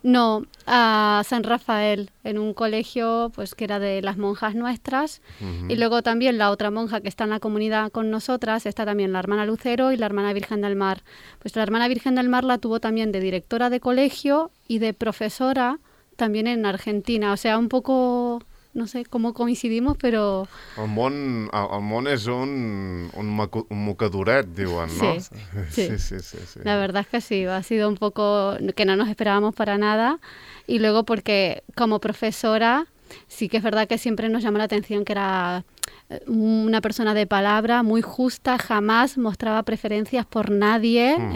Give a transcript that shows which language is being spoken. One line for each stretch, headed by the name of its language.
Spanish: No, a San Rafael, en un colegio pues, que era de las monjas nuestras. Uh-huh. Y luego también la otra monja que está en la comunidad con nosotras, está también la hermana Lucero y la hermana Virgen del Mar. Pues la hermana Virgen del Mar la tuvo también de directora de colegio y de profesora también en Argentina. O sea, un poco...
Catalan: No sé com coincidimos, però... El món és un mocaduret, diuen, no? Sí.
Spanish: La verdad es que sí, ha sido un poco... Que no nos esperábamos para nada. Y luego porque como profesora sí que es verdad que siempre nos llama la atención que era una persona de palabra, muy justa, jamás mostraba preferencias por nadie uh-huh.